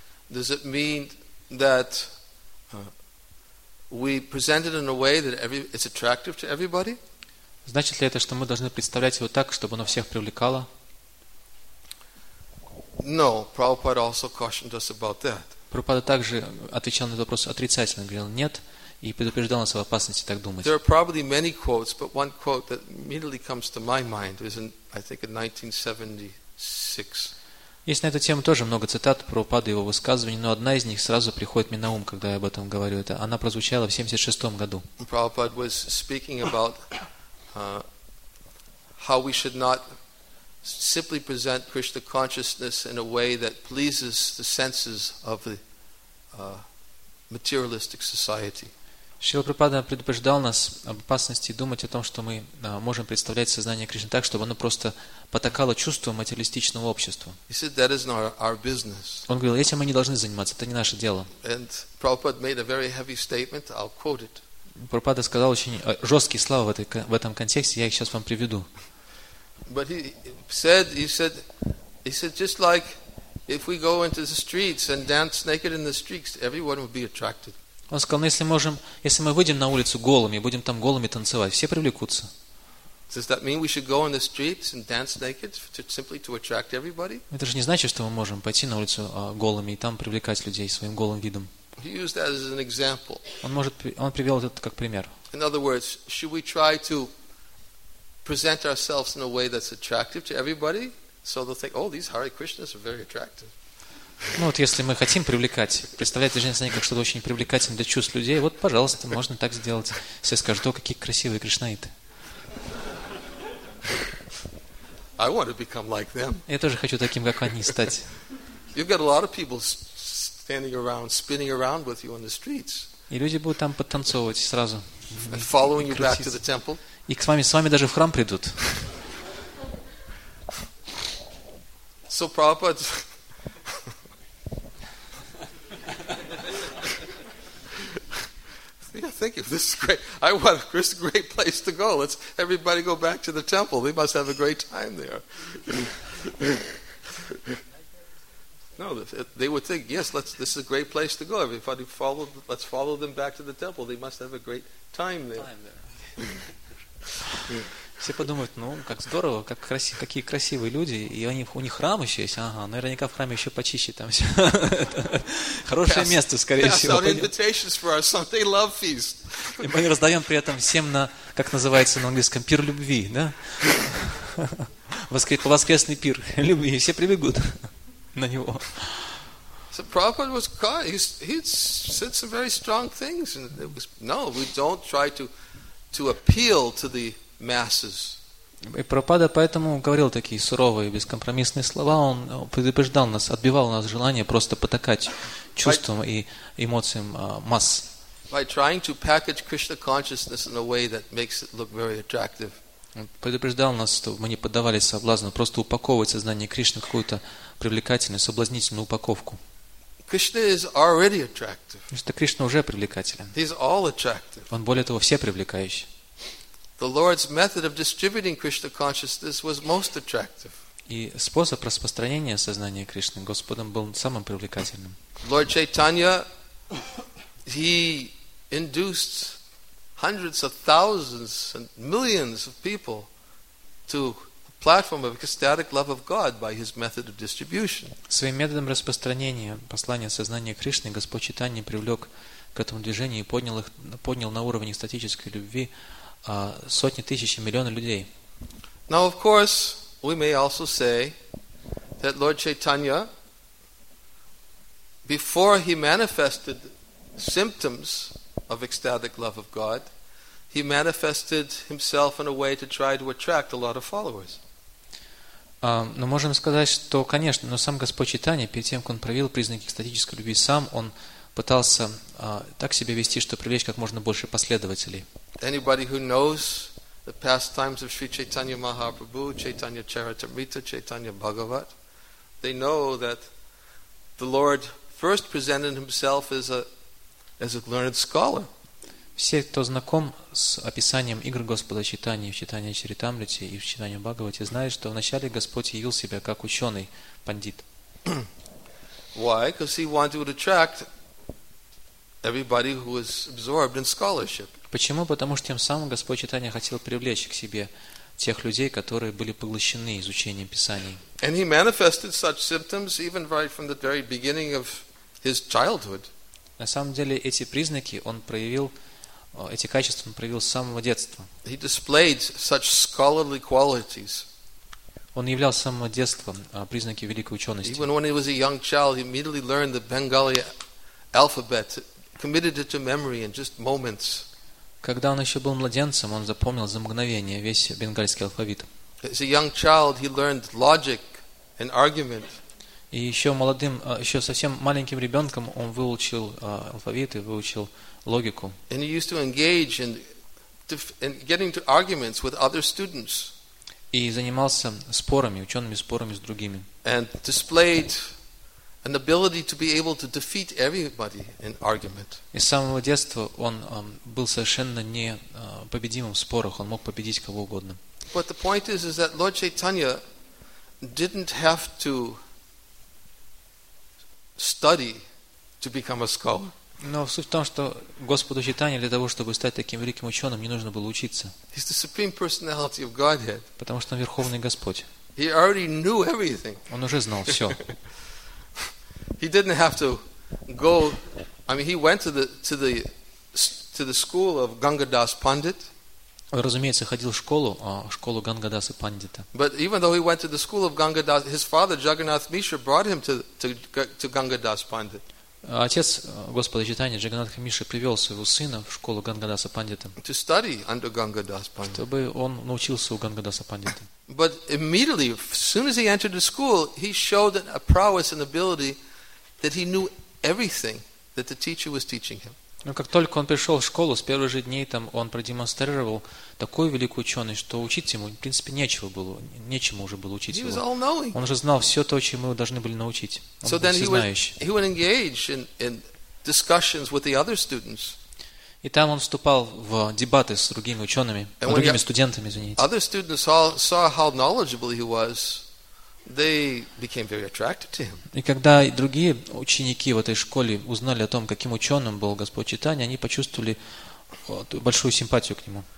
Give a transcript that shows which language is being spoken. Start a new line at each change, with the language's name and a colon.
English: Does it mean that we present it in a way that it's attractive to everybody?
Russian: Значит ли это, что мы должны представлять его так, чтобы оно всех привлекало?
English: No, Prabhupada also cautioned us about that.
Russian: Прабхупада также отвечал на этот вопрос отрицательно, говорил нет. И предупреждал нас об опасности так думать.
English: There are probably many quotes, but one quote that immediately comes to my mind is, I think, in 1976.
Russian: Есть на эту тему тоже много цитат Прабхупады, его высказываний, но одна из них сразу приходит мне на ум, когда я об этом говорю. Это она прозвучала в 76 году.
English: Prabhupada was speaking about how we should not simply present Krishna consciousness in a way that pleases the senses of the materialistic society.
Russian: Шрила Прабхупада предупреждал нас об опасности думать о том, что мы можем представлять сознание Кришны так, чтобы оно просто потакало чувство материалистичного общества.
English: He said, that is not our business.
Russian: Он говорил, этим мы не должны заниматься, это не наше дело.
English: And Prabhupada made a very heavy statement, I'll quote it.
Russian: Прабхупада сказал очень жесткие слова в этом контексте, я их сейчас вам приведу.
English: But he said, just like if we go into the streets and dance naked in the streets, everyone would be attracted.
Russian: Он сказал, ну если мы выйдем на улицу голыми, будем там голыми танцевать, все привлекутся.
English: Does that mean we should go on the streets and dance naked simply to attract everybody?
Russian: Это же не значит, что мы можем пойти на улицу голыми и там привлекать людей своим голым видом.
English: He used that as an example.
Russian: Он привел это как пример.
English: In other words, should we try to present ourselves in a way that's attractive to everybody, so they'll think, oh, these Hare Krishnas are very attractive.
Russian: Ну вот если мы хотим привлекать, представлять движение сознания как что-то очень привлекательное для чувств людей, вот, пожалуйста, можно так сделать. Все скажут, о, какие красивые кришнаиты.
English: I want to become like them.
Russian: Я тоже хочу таким, как они, стать.
English: You've got a lot of people standing around, spinning around with you on the streets.
Russian: И люди будут там подтанцовывать сразу.
English: And following you back to the temple.
Russian: И с вами даже в храм придут.
English: So Prabhupada... Yeah, thank you. This is great. I want this great place to go. Let's everybody go back to the temple. They must have a great time there. No, they would think, yes, this is a great place to go. Everybody let's follow them back to the temple. They must have a great time there.
Russian: Все подумают, ну, как здорово, какие красивые люди, и у них храм еще есть, ага, наверняка в храме еще почище там все. Хорошее место, скорее всего.
English: Pass out invitations for our Sunday love feast.
Russian: И мы раздаем при этом всем на, как называется на английском, пир любви, да? Воскресный пир любви, все прибегут на него.
English: So Prabhupada was caught, he said some very strong things, and it was, no, we don't try to appeal to the masses.
Russian: И Прабхупада поэтому говорил такие суровые, бескомпромиссные слова. Он предупреждал нас, отбивал у нас желание просто потакать чувствам и эмоциям масс.
English: By trying to package Krishna consciousness in a way that makes it look very attractive.
Russian: Предупреждал нас, что мы не поддавались соблазну, просто упаковывать сознание Кришны в какую-то привлекательную, соблазнительную упаковку.
English: Krishna is already attractive.
Russian: Потому что Кришна уже привлекателен.
English: He's all attractive.
Russian: Он более того, все привлекающий.
English: The Lord's method of distributing Krishna consciousness was most attractive.
Russian: И способ распространения сознания Кришны Господом был самым привлекательным.
English: Lord Chaitanya, he induced hundreds of thousands and millions of people to a platform of ecstatic love of God by his method of distribution.
Russian: Своим методом распространения послания сознания Кришны Господь Чайтанья привлек к этому движению и поднял на уровень экстатической любви сотни тысяч и миллионы людей.
English: Now, of course, we may also say that Lord Chaitanya, before he manifested symptoms of ecstatic love of God, he manifested himself in a way to try to attract a lot of followers.
Russian: Но можем сказать, что, конечно, но сам Господь Чайтанья, перед тем, как он проявил признаки экстатической любви, сам он пытался так себя вести, чтобы привлечь как можно больше последователей.
English: Anybody who knows the pastimes of Sri Chaitanya Mahaprabhu, Chaitanya Charitamrita, Chaitanya Bhagavat, they know that the Lord first presented himself as a learned scholar.
Russian: Все, кто знаком с описанием игр Господа Чайтаньи в Чайтанья Чаритамрите и в Чайтанья Бхагавате, знает, что вначале Господь явил себя как ученый, пандит.
English: Why? Because he wanted to attract everybody who was absorbed in scholarship.
Russian: Почему? Потому что тем самым Господь Чайтанья хотел привлечь к себе тех людей, которые были поглощены изучением Писаний.
English: And he manifested such symptoms even right from the very beginning of his childhood.
Russian: На самом деле эти признаки он проявил, эти качества он проявил с самого детства.
English: He displayed such scholarly qualities.
Russian: Он являл с самого детства признаки великой учености.
English: Even when he was a young child, he immediately learned the Bengali alphabet, committed it to memory in just moments.
Russian: Когда он еще был младенцем, он запомнил за мгновение весь бенгальский алфавит.
English: As a young child, he learned logic and argument.
Russian: И еще молодым, еще совсем маленьким ребенком он выучил алфавит и выучил логику.
English: And he used to engage in getting to arguments with other students.
Russian: И занимался спорами, учеными спорами с другими.
English: And displayed an ability to be able to defeat everybody in argument.
Russian: И с самого детства он был совершенно не победимым в спорах, он мог победить кого угодно.
English: But the point is that Lord Chaitanya didn't have to study to become a scholar.
Russian: Но суть в том, что Господу Чайтанье для того, чтобы стать таким великим ученым, не нужно было учиться.
English: He's the supreme personality of Godhead.
Russian: Потому что он верховный Господь.
English: He already knew everything.
Russian: Он уже знал все.
English: He didn't have to go. I mean, he went to the school of Gangadas Pandit.
Russian: Разумеется, ходил в школу, школу Гангадаса Пандита.
English: But even though he went to the school of Gangadas, his father Jagannath Mishra brought him to Gangadas Pandit.
Russian: Отец Господа Чайтанья Джагнанатх Миша привел своего сына в школу Гангадаса Пандита.
English: To study under Gangadas Pandit.
Russian: Чтобы он научился у Гангадаса Пандита.
English: But immediately, as soon as he entered the school, he showed a prowess and ability that he knew everything that the teacher was teaching him.
Russian: Но как только он пришел в школу, с первых же дней там он продемонстрировал такую великую ученость, что учить ему, в принципе, нечего было, нечему уже было учить
English: he
Russian: его.
English: Was all-knowing.
Russian: Он уже знал все то, чему мы должны были научить. Он
English: so
Russian: был всезнающий.
English: He would engage in discussions with the other students.
Russian: И там он вступал в дебаты с другими учеными, с другими студентами, извините.
English: Other students saw how knowledgeable he was. They became very attracted to him.
Russian: И когда другие ученики в этой школе узнали о том, каким ученым был Господь Чайтанья, они почувствовали большую симпатию к нему.